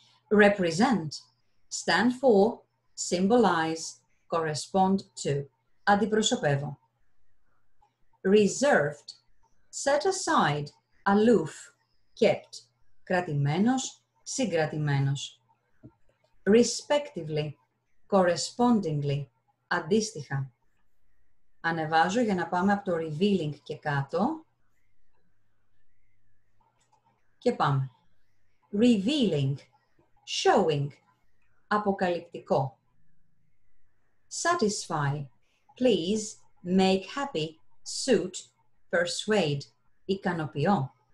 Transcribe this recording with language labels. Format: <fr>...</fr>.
<en>Represent, stand for, symbolize, correspond to,</en> <el>αντιπροσωπεύω.</el> <en>Reserved, set aside, aloof, kept,</en> <el>κρατημένος, συγκρατημένος.</el> <en>Respectively, correspondingly,</en> <el>αντίστοιχα. Ανεβάζω για να πάμε από το revealing και κάτω. Και πάμε.</el> <en>Revealing, showing,</en> <el>αποκαλυπτικό.</el> <en>Satisfy, please, make happy, suit, persuade,</en> <el>ικανοποιώ.</el>